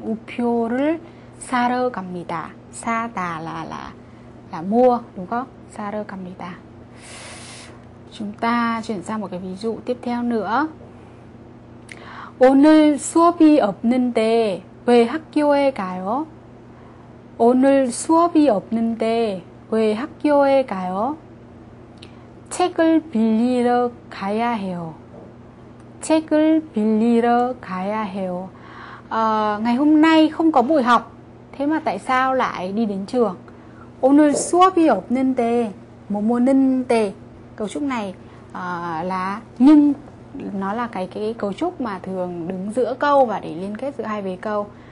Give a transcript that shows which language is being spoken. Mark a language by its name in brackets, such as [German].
[Korean] Upyo를 사러 갑니다. [Vietnamese] 사다 là mua, đúng không? [Korean] 사러 갑니다. [Vietnamese] Chúng ta chuyển sang một cái ví dụ tiếp theo nữa. [Korean] 오늘 수업이 없는데 왜 학교에 가요? 오늘 수업이 없는데 왜 학교에 가요? 책을 빌리러 가야 해요. 책을 빌리러 가야 해요. [Vietnamese] Ngày hôm nay không có buổi học, thế mà tại sao lại đi đến trường? [Korean] 오늘 수업이 없는데, 뭐뭐는데. [Vietnamese] Cấu trúc này là nhưng, nó là cái cấu trúc mà thường đứng giữa câu và để liên kết giữa hai vế câu.